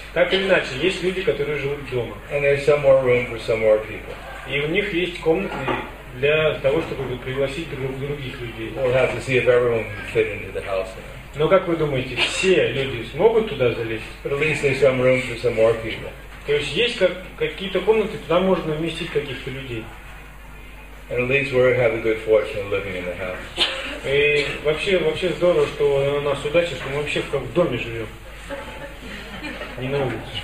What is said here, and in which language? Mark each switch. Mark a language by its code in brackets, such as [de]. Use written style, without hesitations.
[ru] Так или иначе, есть люди, которые живут дома. [en] And there's some more room for some more people. [ru] И у них есть комнаты для того, чтобы пригласить других людей. [en] We'll have to see if everyone can fit into the house. [ru] Но как вы думаете, все люди смогут туда залезть? [en] But at least there's some room for some more people. [ru] То есть есть какие-то комнаты, туда можно вместить каких-то людей. [en] And at least we have a good fortune living in the house. [ru] И вообще здорово, что у нас удача, что мы вообще в доме живем, не на улице.